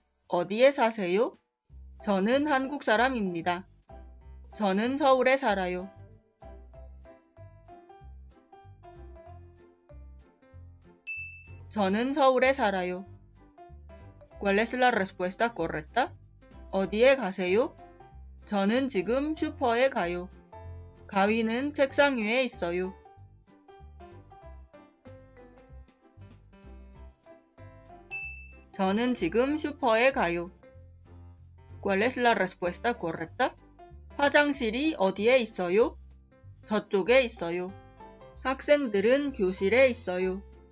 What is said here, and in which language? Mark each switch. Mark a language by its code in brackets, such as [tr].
[ko] 어디에 사세요? 저는 한국 사람입니다. 저는 서울에 살아요. 저는 서울에 살아요. [es] ¿Cuál es la respuesta correcta? [ko] 어디에 가세요? 저는 지금 슈퍼에 가요. 가위는 책상 위에 있어요. 저는 지금 슈퍼에 가요. [es] ¿Cuál es la respuesta correcta? [ko] 화장실이 어디에 있어요? 저쪽에 있어요. 학생들은 교실에 있어요.